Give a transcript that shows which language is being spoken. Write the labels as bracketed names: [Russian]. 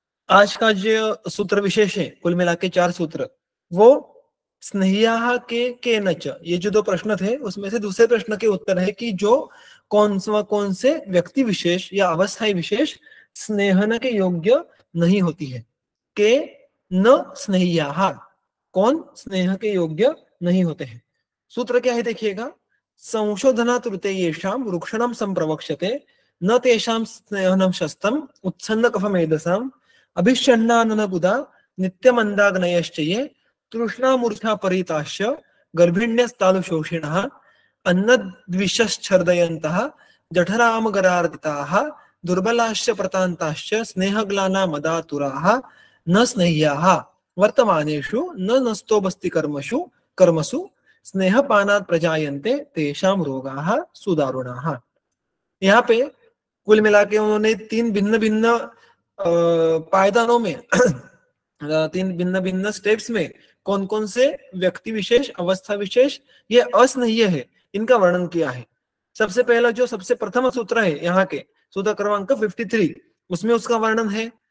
[Hindi] आज का जो सूत्र विशेष है, कुल मिला के चार सूत्र, वो स्नेहा के नच, ये जो दो प्रश्न थे उसमें से दूसरे प्रश्न के उत्तर है कि जो कौन से व्यक्ति विशेष या अवस्थाई विशेष स्नेहन के योग्य नहीं होती है। के न स्नेहा, कौन स्नेह के योग्य नहीं होते हैं। [Sanskrit] सूत्र क्या है देखिएगा, संशोधना त्रुते येषां रुक्षणं संप्रवक्ष्यते न तेषां स्नेहनं शस्तम् उत्सन्न कफमेदसाम् अभिषण्णानन गुदा नित्यमन्दाग्नयश्च ये तृष्णा मूर्छा परीताश्च गर्भिण्यस्तालु शोषिणः अन्नद्विषश्छर्दयन्तः जठरामगरार्दिताः दुर्बलाश्च प्रतान्ताश्च स्नेहग्लाना मदातुराः न स्नेह्याः वर्तमानेषु न नस्तोऽस्ति कर्मसु कर्मसु स्नेह पानात प्रजायन्ते तेषां रोगाः सुदारुणाः। [Hindi] यहाँ पे कुल मिला के उन्होंने तीन भिन्न भिन्न पायदानों में, तीन भिन्न भिन्न स्टेप्स में कौन कौन से व्यक्ति विशेष, अवस्था विशेष ये अस्नेह्य है, इनका वर्णन किया है। सबसे पहला जो सबसे प्रथम सूत्र है यहाँ के, सूत्र क्रमांक 53, उसमें उसका वर्णन है।